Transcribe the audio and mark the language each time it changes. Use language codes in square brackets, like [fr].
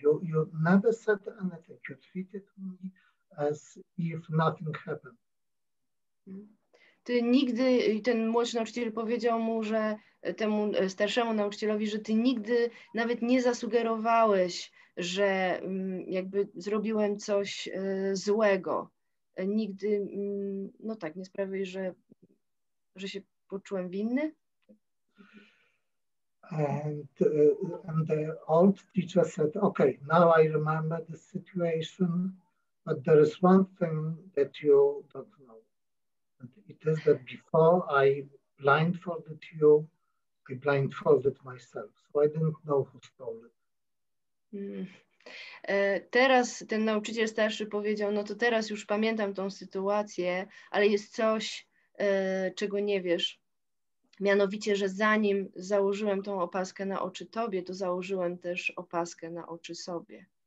[en] You never said anything. You treated me as if nothing happened. [pl] Ty nigdy, ten młodszy nauczyciel powiedział mu, że temu starszemu nauczycielowi, że ty nigdy nawet nie zasugerowałeś, że jakby zrobiłem coś złego. Nigdy, no tak, nie sprawiłeś, że się poczułem winny. [en] And the old teacher said, okay, now I remember the situation, but there is one thing that you don't know. It is that before I blindfolded myself, so I didn't know who stole it. [pl] Teraz ten nauczyciel starszy powiedział, no to teraz już pamiętam tą sytuację, ale jest coś, czego nie wiesz. Mianowicie, że zanim założyłem tą opaskę na oczy tobie, to założyłem też opaskę na oczy sobie.